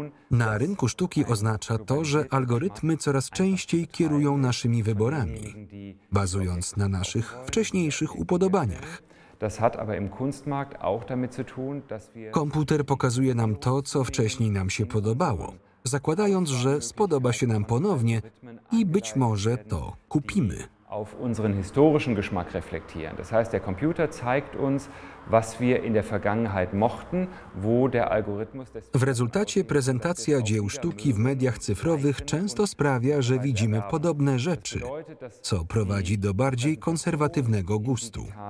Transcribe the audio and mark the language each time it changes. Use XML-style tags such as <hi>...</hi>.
<pl>Na rynku sztuki oznacza to, że algorytmy coraz częściej kierują naszymi wyborami, bazując na naszych wcześniejszych upodobaniach.</pl> <de>Das hat aber im Kunstmarkt auch damit zu tun, dass wir</de> <pl>Komputer pokazuje nam to, co wcześniej nam się podobało, zakładając, że spodoba się nam ponownie i być może to kupimy.</pl> <de>Auf unseren historischen Geschmack reflektieren. Das heißt, der Computer zeigt uns, was wir in der Vergangenheit mochten, wo der Algorithmus des</de> <pl>W rezultacie prezentacja dzieł sztuki w mediach cyfrowych często sprawia, że widzimy podobne rzeczy, co prowadzi do bardziej konserwatywnego gustu.</pl>